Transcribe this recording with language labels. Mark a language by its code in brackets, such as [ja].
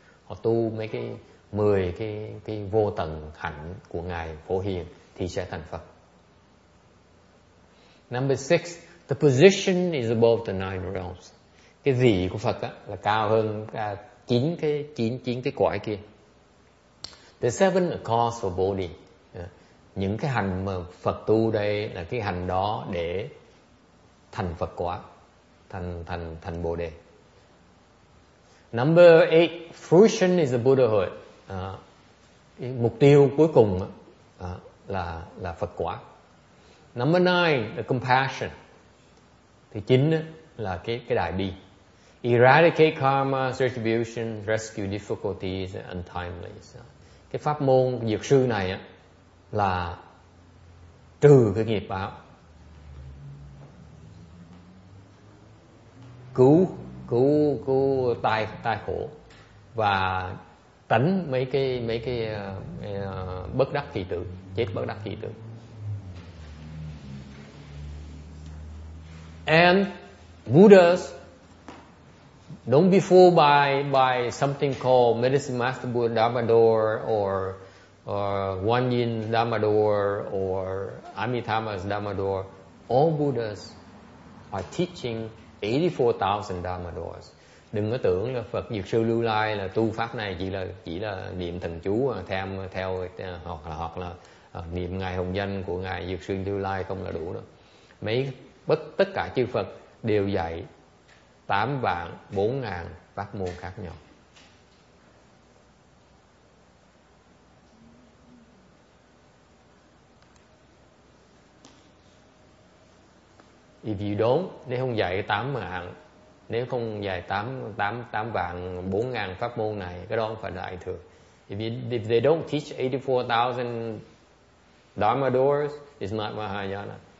[vi] Họ tu mấy cái 10 cái vô tận hạnh của Ngài Phổ Hiền thì sẽ thành Phật. [en] Number six, the position is above the nine realms. [vi] Cái vị của Phật á là cao hơn chín cái cõi kia. [en] The seven are cause for Bodhi. [vi] Những cái hành mà Phật tu đây là cái hành đó để thành Phật quả, thành Bồ Đề. [en] Number eight, fruition is the Buddhahood. [vi] Mục tiêu cuối cùng á là Phật quả. [en] Number nine, the compassion. [vi] Thứ chín là cái đại bi. [en] Eradicate karma, retribution, rescue difficulties untimely. [vi] Cái pháp môn dược sư này á là trừ cái nghiệp báo. Cứu tai khổ và tránh mấy cái bất đắc kỳ tử, chết bất đắc kỳ tử. [en] And Buddhas don't be fooled by something called Medicine Master Buddha Dhammador or Guan Yin Dhammador or Amitabha's Dhammador. All Buddhas are teaching 84,000 Dhammadors. [vi] Đừng có tưởng là Phật Dược Sư Lưu Lai là tu pháp này chỉ là niệm thần chú theo hoặc là niệm ngài hồng danh của ngài Dược Sư Lưu Lai không là đủ đâu. Tất cả chư Phật đều dạy 84,000 pháp môn khác nhau. [en] If you don't, [vi] nếu không dạy 80,000, nếu không dạy 84,000 pháp môn này, cái đó không phải là đại thừa. [en] If they don't teach 84,000 Dharma doors, it's not Mahayana.